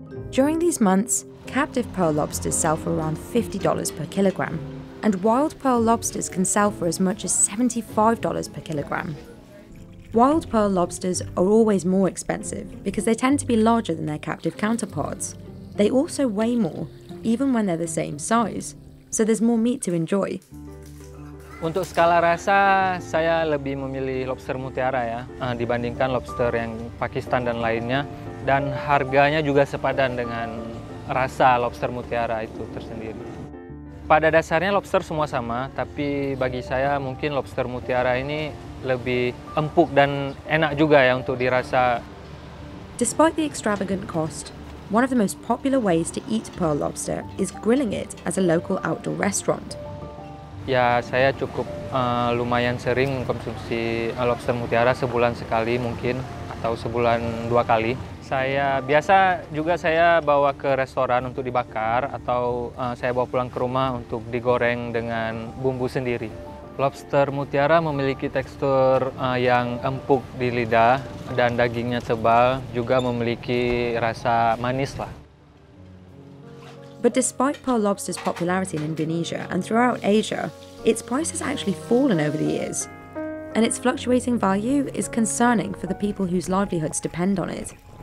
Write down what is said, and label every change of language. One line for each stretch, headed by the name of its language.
English: During these months, captive pearl lobsters sell for around $50 per kilogram, and wild pearl lobsters can sell for as much as $75 per kilogram. Wild pearl lobsters are always more expensive because they tend to be larger than their captive counterparts. They also weigh more, even when they're the same size, so there's more meat to enjoy.
Indonesian: Untuk skala rasa, saya lebih memilih lobster mutiara ya, dibandingkan lobster yang Pakistan dan lainnya. Dan harganya juga sepadan dengan rasa lobster mutiara itu tersendiri. Pada dasarnya lobster semua sama, tapi bagi saya mungkin lobster mutiara ini lebih empuk dan enak juga ya untuk dirasa.
English: Despite the extravagant cost, one of the most popular ways to eat pearl lobster is grilling it as a local outdoor restaurant.
Indonesian: Ya, saya cukup lumayan sering konsumsi lobster mutiara, sebulan sekali mungkin, atau sebulan dua kali. Saya biasa juga saya bawa ke restoran untuk dibakar, atau saya bawa pulang ke rumah untuk digoreng dengan bumbu sendiri. Lobster mutiara memiliki tekstur yang empuk di lidah dan dagingnya tebal, juga memiliki rasa manis lah.
English: But despite pearl lobster's popularity in Indonesia and throughout Asia, its price has actually fallen over the years. And its fluctuating value is concerning for the people whose livelihoods depend on it.